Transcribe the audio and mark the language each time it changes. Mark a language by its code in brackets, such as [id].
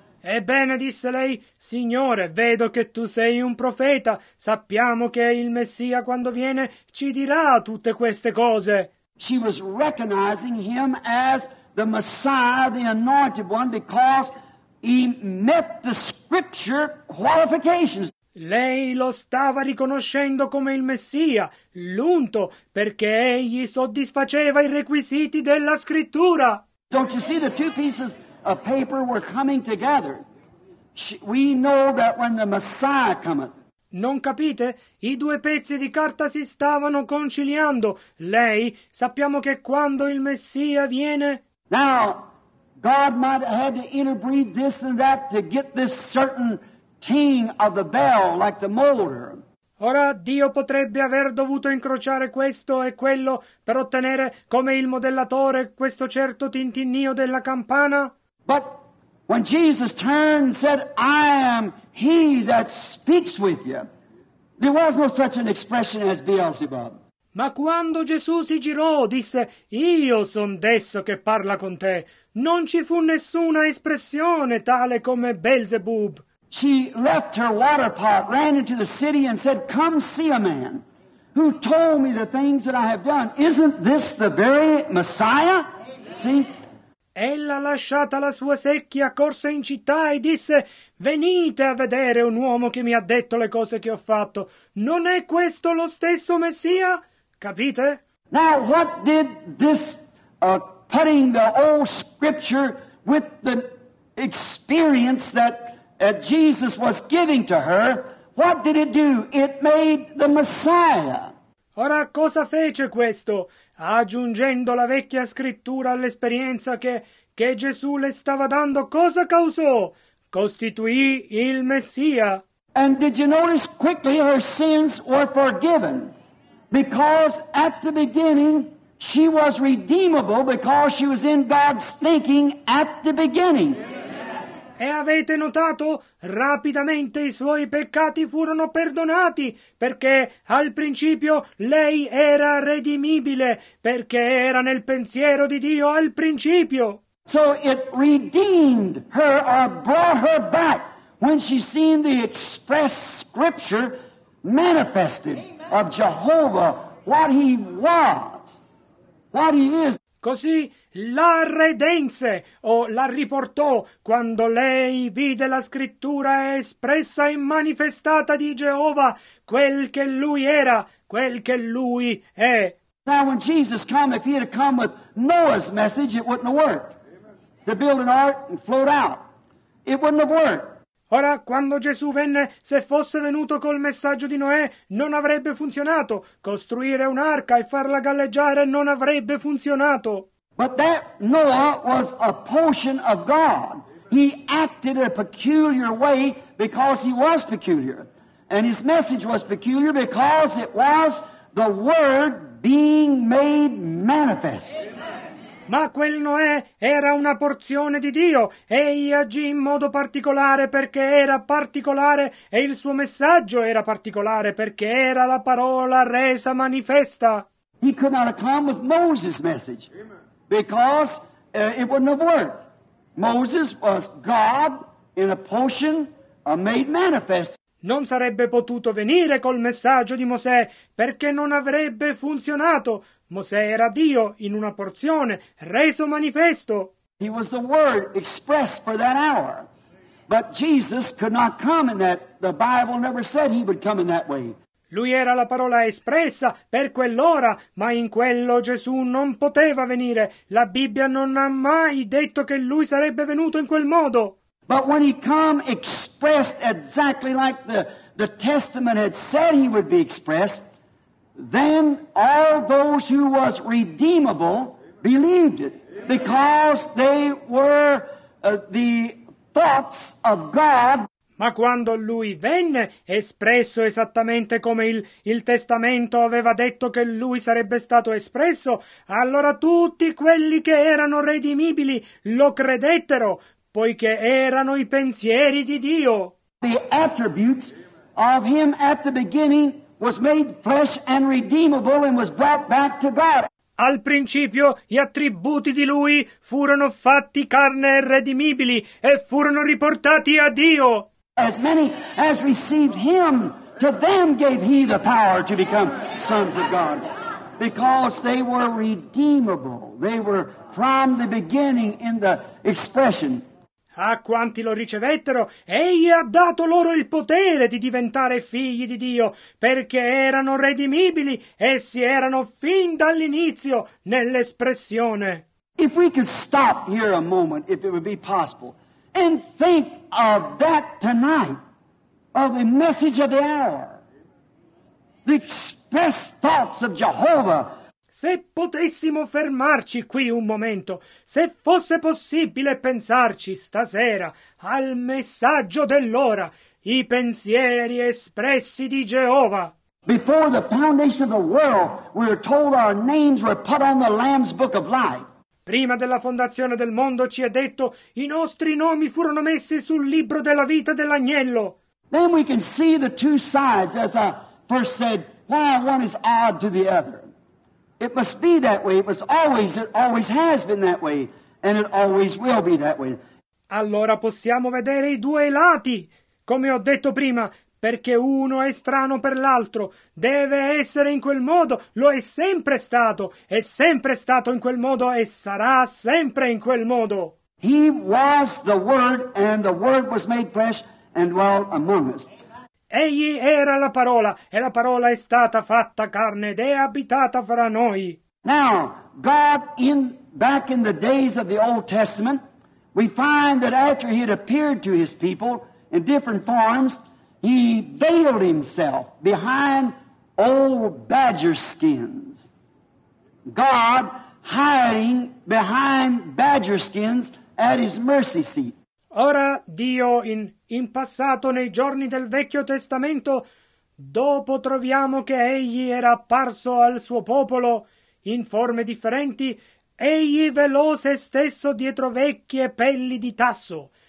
[it] Ebbene, disse lei, Signore, vedo che tu sei un profeta. Sappiamo che il Messia, quando viene, ci dirà tutte queste cose. [en] She was recognizing Him as the Messiah, the anointed one, because He met the scripture qualifications. [it] Lei lo stava riconoscendo come il Messia, l'unto, perché egli soddisfaceva i requisiti della scrittura. [en] Don't you see the two pieces a paper were coming together. We know that when the Messiah cometh. [it] Non capite? I due pezzi di carta si stavano conciliando. Lei, sappiamo che quando il Messia viene. [en] Now, God might have had to interbreed this and that to get this certain ting of the bell like the molar. [it] Ora Dio potrebbe aver dovuto incrociare questo e quello per ottenere come il modellatore questo certo tintinnio della campana. [en] But when Jesus turned and said, I am he that speaks with you, there was no such an expression as Beelzebub. [it] Ma quando Gesù si girò, disse, io son desso che parla con te, non ci fu nessuna espressione tale come Beelzebub. [en] She left her water pot, ran into the city and said, come see a man who told me the things that I have done. Isn't this the very Messiah? See? [it] Ella, lasciata la sua secchia, corse in città e disse, venite a vedere un uomo che mi ha detto le cose che ho fatto. Non è questo lo stesso Messia? Capite? [en] Now, what did this putting the old scripture with the experience that Jesus was giving to her, what did it do? It made the Messiah. [it] Ora, cosa fece questo? Aggiungendo la vecchia scrittura all'esperienza che Gesù le stava dando, cosa causò? Costituì il Messia. [en] And did you notice quickly her sins were forgiven? Because at the beginning she was redeemable because she was in God's thinking at the beginning. [it] E avete notato? Rapidamente i suoi peccati furono perdonati, perché al principio lei era redimibile, perché era nel pensiero di Dio al principio. [en] So it redeemed her or brought her back when she seen the express scripture manifested of Jehovah, what he was, what he is. [it] Così la redenze o la riportò quando lei vide la scrittura espressa e manifestata di Geova, quel che lui era, quel che lui è. [en] Now when Jesus came, if he had come with Noah's message, it wouldn't have worked. To build an ark and float out. It wouldn't have worked. [it] Ora, quando Gesù venne, se fosse venuto col messaggio di Noè, non avrebbe funzionato. Costruire un'arca e farla galleggiare non avrebbe funzionato. [en] But that Noah was a portion of God. He acted a peculiar way because he was peculiar. And his message was peculiar because it was the Word being made manifest. [it] Ma quel Noè era una porzione di Dio. Egli agì in modo particolare perché era particolare e il suo messaggio era particolare perché era la parola resa manifesta. [en] He could not have come with Moses' message because it wouldn't have worked. Moses was God in a portion made manifest. [it] Non sarebbe potuto venire col messaggio di Mosè perché non avrebbe funzionato. Mosè era Dio in una porzione, reso manifesto. [en] He was the Word expressed for that hour. But Jesus could not come in that. The Bible never said he would come in that way. [it] Lui era la parola espressa per quell'ora, ma in quello Gesù non poteva venire. La Bibbia non ha mai detto che lui sarebbe venuto in quel modo. [en] But when he come expressed exactly like the Testament had said he would be expressed, then all those who was redeemable believed it because they were the thoughts of God. [it] Ma quando lui venne espresso esattamente come il testamento aveva detto che lui sarebbe stato espresso, allora tutti quelli che erano redimibili lo credettero poiché erano i pensieri di Dio. [en] The attributes of him at the beginning was made flesh and redeemable and was brought back to God. [it] Al principio gli attributi di lui furono fatti carne e redimibili e furono riportati a Dio. [en] As many as received him, to them gave he the power to become sons of God, because they were redeemable. They were from the beginning in the expression. [it] A quanti lo ricevettero, egli ha dato loro il potere di diventare figli di Dio, perché erano redimibili, essi erano fin dall'inizio nell'espressione. [en] If we could stop here a moment, if it would be possible, and think of that tonight, of the message of the hour, the express thoughts of Jehovah. [it] Se potessimo fermarci qui un momento, se fosse possibile pensarci stasera al messaggio dell'ora, i pensieri espressi di Geova. [en] Before the foundation of the world, we are told our names were put on the Lamb's Book of Life. [it] Prima della fondazione del mondo ci è detto i nostri nomi furono messi sul libro della vita dell'agnello. [en] Then we can see the two sides, as I first said, why one is odd to the other. It must be that way. It always has been that way, and it always will be that way. [it] Allora possiamo vedere i due lati, come ho detto prima, perché uno è strano per l'altro. Deve essere in quel modo, lo è sempre stato in quel modo e sarà sempre in quel modo. [en] He was the Word, and the Word was made flesh and dwelt among us. [it] Egli era la parola, e la parola è stata fatta carne ed è abitata fra noi. [en] Now, God, back in the days of the Old Testament, we find that after he had appeared to his people in different forms, he veiled himself behind old badger skins. God hiding behind badger skins at his mercy seat. [it] Ora Dio in passato, nei giorni del Vecchio Testamento, dopo troviamo che egli era apparso al suo popolo in forme differenti, egli velò se stesso dietro vecchie pelli di tasso.